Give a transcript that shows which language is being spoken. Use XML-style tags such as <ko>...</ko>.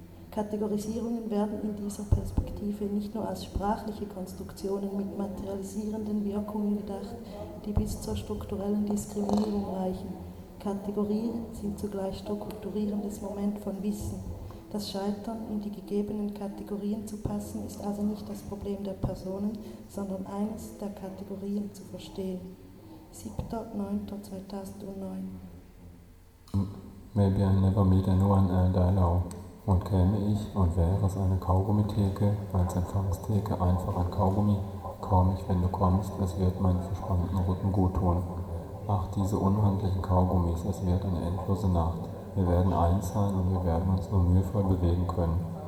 <de>Kategorisierungen werden in dieser Perspektive nicht nur als sprachliche Konstruktionen mit materialisierenden Wirkungen gedacht, die bis zur strukturellen Diskriminierung reichen. Kategorien sind zugleich strukturierendes Moment von Wissen. Das Scheitern, in die gegebenen Kategorien zu passen, ist also nicht das Problem der Personen, sondern eines der Kategorien zu verstehen. 7.9.2009.</de> <en>Maybe I never meet anyone and I know.</en> <de>Und käme ich und wäre es eine Kaugummitheke, als Empfangstheke einfach ein Kaugummi, komm ich, wenn du kommst, es wird meinen verspannten Rücken guttun. Ach, diese unhandlichen Kaugummis, es wird eine endlose Nacht. Wir werden eins sein und wir werden uns nur mühevoll bewegen können.</de>